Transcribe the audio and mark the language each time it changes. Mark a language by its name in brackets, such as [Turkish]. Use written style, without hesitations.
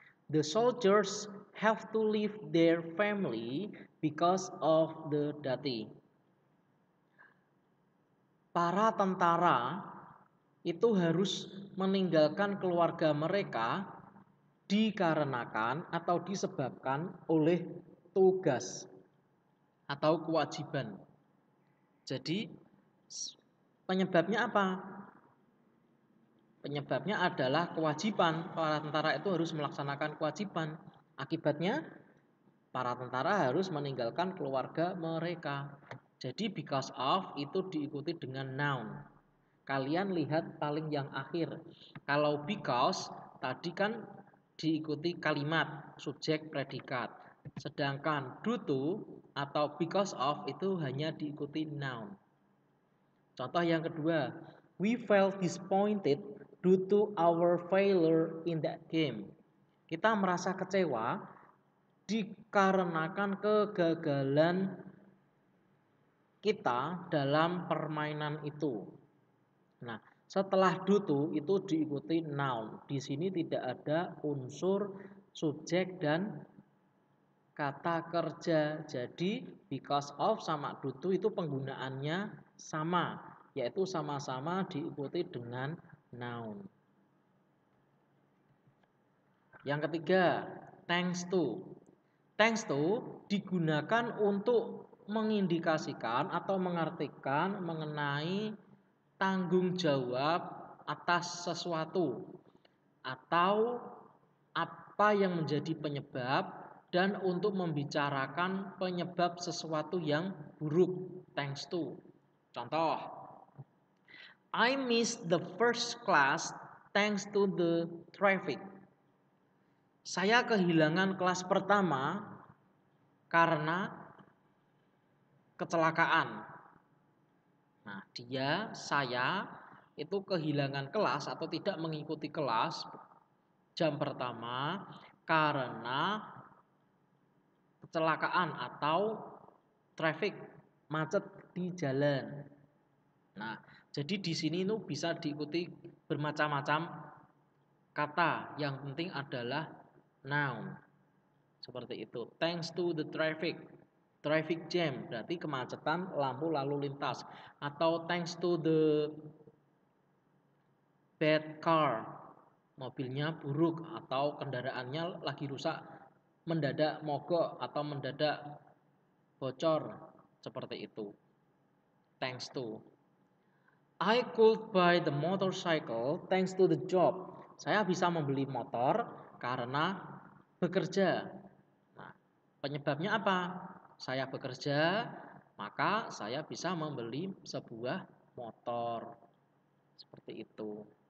[English] The soldiers have to leave their family because of the duty. [Indonesian] Para tentara itu harus meninggalkan keluarga mereka dikarenakan atau disebabkan oleh tugas atau kewajiban. Jadi penyebabnya apa? Penyebabnya adalah kewajiban. Para tentara itu harus melaksanakan kewajiban. Akibatnya, para tentara harus meninggalkan keluarga mereka. Jadi because of itu diikuti dengan noun. Kalian lihat paling yang akhir. Kalau because tadi kan diikuti kalimat, subjek, predikat. Sedangkan due to atau because of itu hanya diikuti noun. Contoh yang kedua, [English] we felt disappointed due to our failure in that game. [Indonesian] Kita merasa kecewa dikarenakan kegagalan kita dalam permainan itu. Nah, setelah due to itu diikuti noun. Di sini tidak ada unsur subjek dan kata kerja, jadi because of sama due to itu penggunaannya sama, yaitu sama-sama diikuti dengan noun. Yang ketiga, thanks to. Thanks to digunakan untuk mengindikasikan atau mengartikan mengenai tanggung jawab atas sesuatu atau apa yang menjadi penyebab dan untuk membicarakan penyebab sesuatu yang buruk, thanks to. Contoh, [English] I missed the first class thanks to the traffic. [Indonesian] Saya kehilangan kelas pertama karena kecelakaan. Nah, dia, saya, itu kehilangan kelas atau tidak mengikuti kelas jam pertama karena kecelakaan atau traffic, macet di jalan. Nah, jadi di sini itu bisa diikuti bermacam-macam kata. Yang penting adalah noun. Seperti itu. [English] Thanks to the traffic. [Indonesian] Traffic jam berarti kemacetan lampu lalu lintas. Atau [English] thanks to the bad car. [Indonesian] Mobilnya buruk atau kendaraannya lagi rusak mendadak mogok atau mendadak bocor seperti itu. Thanks to. [English] I could buy the motorcycle thanks to the job. [Indonesian] Saya bisa membeli motor karena bekerja. Nah, penyebabnya apa? Saya bekerja, maka saya bisa membeli sebuah motor. Seperti itu.